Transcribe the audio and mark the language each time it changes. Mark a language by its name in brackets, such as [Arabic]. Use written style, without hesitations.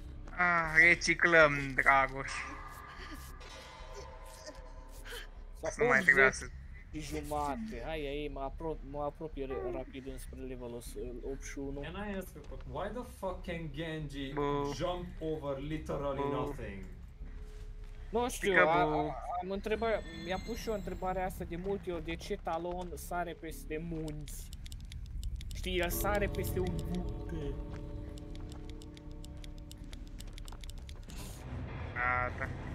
[Romanian] Ah, reciclăm, Dragoș. Nu mai trebuie să... jumate. Hai, ei, mă apropie rapid înspre levelul 8 și 1. [English] And I ask you, why the fuck can Genji jump over literally nothing? [Romanian] Nu știu, am întrebat, mi-am pus și eu întrebarea asta de multe ori, de ce Talon sare peste munți? Știi, el sare peste un munte. Ata.